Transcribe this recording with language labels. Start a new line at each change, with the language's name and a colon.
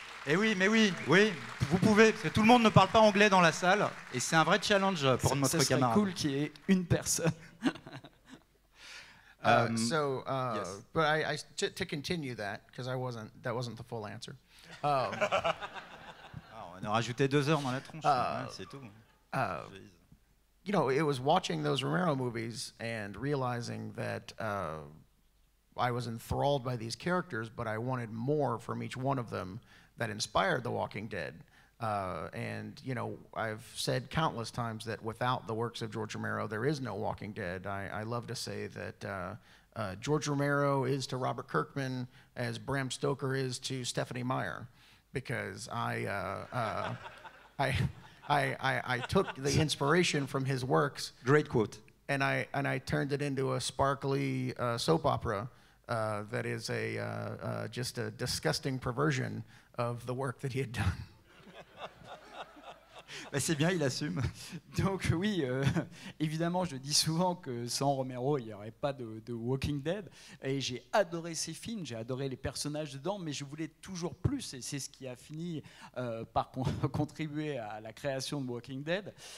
French: Eh oui, mais oui, vous pouvez, parce que tout le monde ne parle pas anglais dans la salle, et c'est un vrai challenge pour notre camarade. C'est cool qu'il y ait une personne.
English: Yes. But to continue that, because I wasn't the full answer. oh,
French: On a rajouté deux heures dans la tronche, ouais, c'est tout.
English: You know, it was watching those Romero movies and realizing that I was enthralled by these characters, but I wanted more from each one of them that inspired The Walking Dead. And, you know, I've said countless times that without the works of George Romero, there is no Walking Dead. I love to say that George Romero is to Robert Kirkman as Bram Stoker is to Stephanie Meyer, because I took the inspiration from his works. Great quote. And I turned it into a sparkly soap opera that is a just a disgusting perversion of the work that he had done.
French: Bah c'est bien, il assume. Donc oui, évidemment, je dis souvent que sans Romero, il n'y aurait pas de Walking Dead. Et j'ai adoré ces films, j'ai adoré les personnages dedans, mais je voulais toujours plus. Et c'est ce qui a fini par contribuer à la création de Walking Dead.